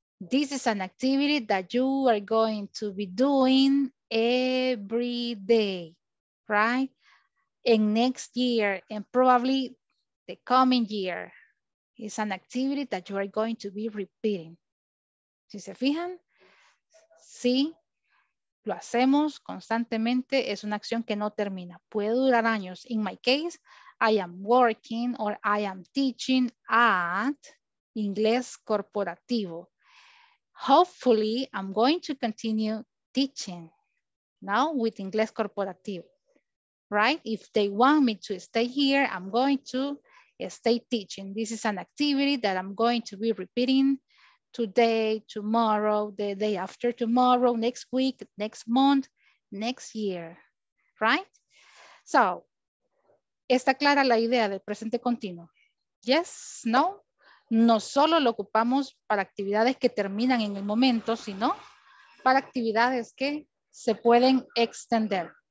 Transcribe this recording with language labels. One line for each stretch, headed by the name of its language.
English: This is an activity that you are going to be doing every day, right? And next year, and probably the coming year, is an activity that you are going to be repeating.
Spanish: Si se fijan, sí, lo hacemos constantemente, es una acción que no termina, puede durar años.
English: In my case, I am working or I am teaching at Inglés Corporativo. Hopefully, I'm going to continue teaching now with Inglés Corporativo, right? If they want me to stay here, I'm going to stay teaching. This is an activity that I'm going to be repeating today, tomorrow, the day after tomorrow, next week, next month, next year, right?
Spanish: So, ¿está clara la idea del presente continuo? Yes, no? No solo lo ocupamos para actividades que terminan en el momento, sino para actividades que se pueden extender.